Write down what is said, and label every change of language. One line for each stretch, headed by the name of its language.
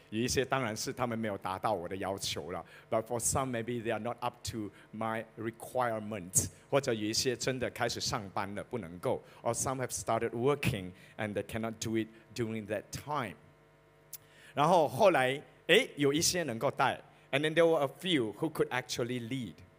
Chinese: 有一些当然是他们没有达到我的要求了。
English: But for some, maybe they are not up to my requirements.
Chinese: 或者有一些真的开始上班了，不能够。
English: Or some have started working and they cannot do it during that time.
Chinese: 然后后来，哎，有一些能够带。
English: And then there were a few who could actually lead.